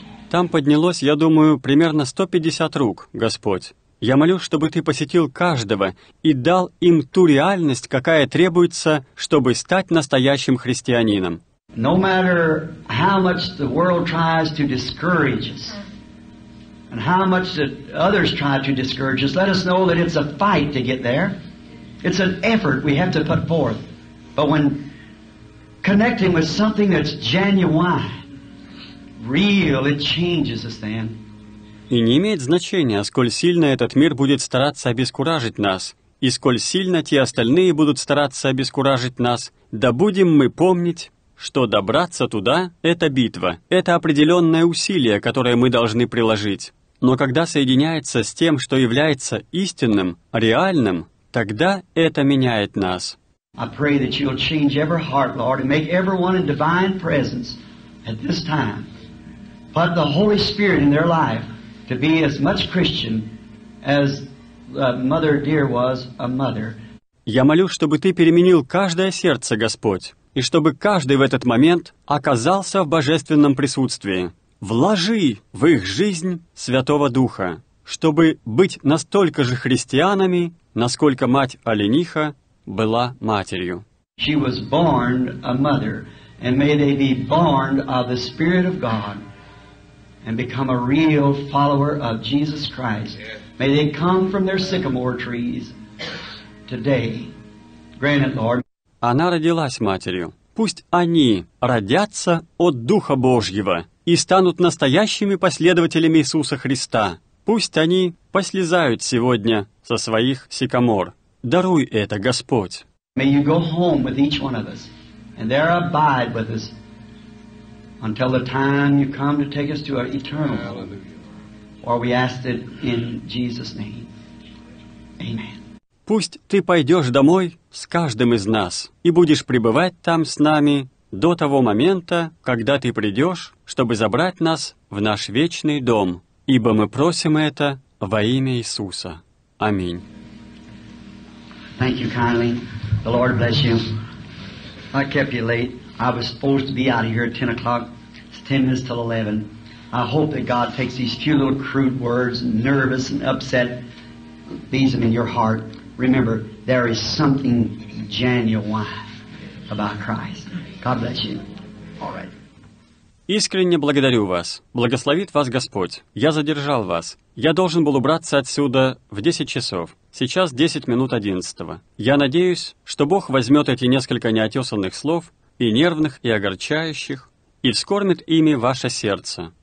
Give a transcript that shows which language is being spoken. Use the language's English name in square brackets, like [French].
[Russian] Там поднялось, я думаю, примерно 150 рук, Господь. Я молю, чтобы Ты посетил каждого и дал им ту реальность, какая требуется, чтобы стать настоящим христианином. [English] No matter how much the world tries to discourage us, and how much that others try to discourage us, let us know that it's a fight to get there. It's an effort we have to put forth. But when connecting with something that's genuine, real, it changes us then. [Russian] И не имеет значения, сколь сильно этот мир будет стараться обескуражить нас, и сколь сильно те остальные будут стараться обескуражить нас, да будем мы помнить, что добраться туда — это битва, это определенное усилие, которое мы должны приложить. Но когда соединяется с тем, что является истинным, реальным, тогда это меняет нас. [English] I pray that you'll change every heart, Lord, and make everyone in divine presence at this time. Put the Holy Spirit in their life to be as much Christian as the mother dear was a mother. [Russian] Я молю, чтобы Ты переменил каждое сердце, Господь, и чтобы каждый в этот момент оказался в божественном присутствии. Вложи в их жизнь Святого Духа, чтобы быть настолько же христианами, насколько мать олениха была матерью. [English] She was born a mother, and may they be born of the Spirit of God and become a real follower of Jesus Christ. May they come from their sycamore trees today. Grant it, Lord. [Russian] Она родилась матерью. Пусть они родятся от Духа Божьего и станут настоящими последователями Иисуса Христа. Пусть они послезают сегодня со своих сикамор. Даруй это, Господь. [English] May you go home with each one of us and there abide with us until the time you come to take us to our eternal home. Or we ask it in Jesus' name. Amen. [Russian] Пусть ты пойдешь домой с каждым из нас и будешь пребывать там с нами до того момента, когда ты придешь, чтобы забрать нас в наш вечный дом, ибо мы просим это во имя Иисуса. Аминь. [English] Thank you kindly. The Lord bless you. I kept you late. I was supposed to be out of here at 10 o'clock. It's 10 minutes till 11. I hope that God takes these few little crude words, nervous and upset, leaves them in your heart. Remember, there is something genuine about Christ. God bless you. All right. [Russian] Искренне благодарю вас. Благословит вас Господь. Я задержал вас. Я должен был убраться отсюда в 10 часов. Сейчас 10 минут 11. Я надеюсь, что Бог возьмет эти несколько неотесанных слов, и нервных, и огорчающих, и вскормит ими ваше сердце.